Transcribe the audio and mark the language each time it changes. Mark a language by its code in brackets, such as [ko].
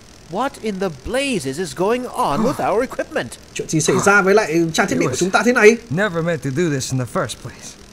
[en] What in the blazes is going on with our equipment? [vi] Chuyện gì xảy ra với lại trang thiết bị của chúng ta thế này? [en] Never meant to do this in the first place.